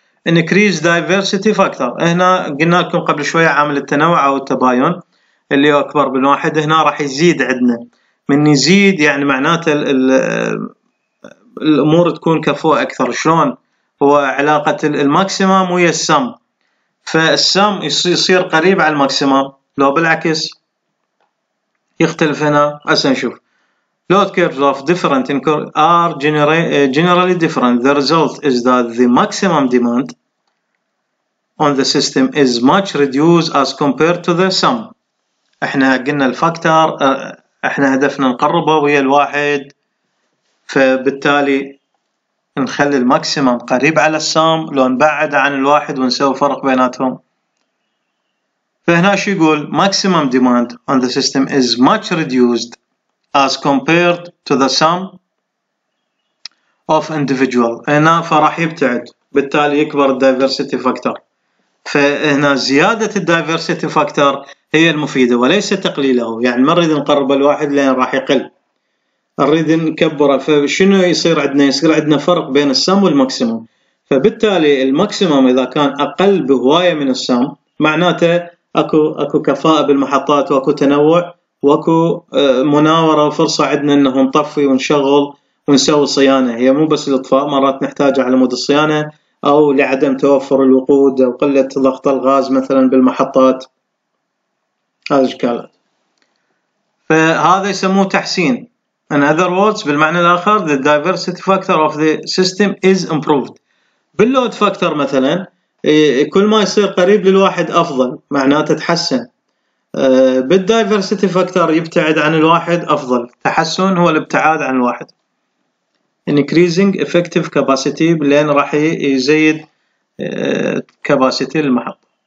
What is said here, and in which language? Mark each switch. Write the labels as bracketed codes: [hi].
[en] increase diversity factor، [ar] هنا قلنا لكم قبل شوية عامل التنوع أو التباين اللي هو أكبر من واحد، هنا راح يزيد عندنا. من يزيد يعني معناته الأمور تكون كفوة أكثر. شلون؟ هو علاقة الماكسيمم ويا السم، فالسم يصير قريب على الماكسيمم، لو بالعكس يختلف. هنا هسه نشوف [en] load curves of different are generally different. The result is that the maximum demand on the system is much reduced as compared to the sum. [ar] احنا قلنا الفاكتور احنا هدفنا نقربه ويا الواحد، فبالتالي نخلي الماكسيمم قريب على السام لو نبعد عن الواحد ونسوي فرق بيناتهم. فهنا شو يقول، [en] maximum demand on the system is much reduced as compared to the sum of individual، [ar] هنا فراح يبتعد بالتالي يكبر [en] diversity factor. [ar] فهنا زيادة الدايفرسيتي فاكتور هي المفيدة وليس تقليله، يعني ما نريد نقرب الواحد لأن راح يقل، نريد نكبره. فشنو يصير عندنا؟ يصير عندنا فرق بين السم والماكسيموم، فبالتالي الماكسيموم إذا كان أقل بهواية من السم، معناته أكو كفاءة بالمحطات وأكو تنوع وأكو مناورة وفرصة عندنا أنه نطفي ونشغل ونسوي صيانة. هي مو بس الإطفاء، مرات نحتاجها على مود الصيانة أو لعدم توفر الوقود أو قلة ضغط الغاز مثلا بالمحطات، هذه الإشكالات. فهذا يسموه تحسين. [en] In other words، [ar] بالمعنى الآخر، [en] the diversity factor of the system is improved. [ar] باللود فاكتور مثلا كل ما يصير قريب للواحد أفضل، معناته تحسن. بالدايفرسيتي فاكتور يبتعد عن الواحد أفضل، تحسن هو الابتعاد عن الواحد. [en] increasing effective capacity، [ar] لأن راح يزيد capacity المحط.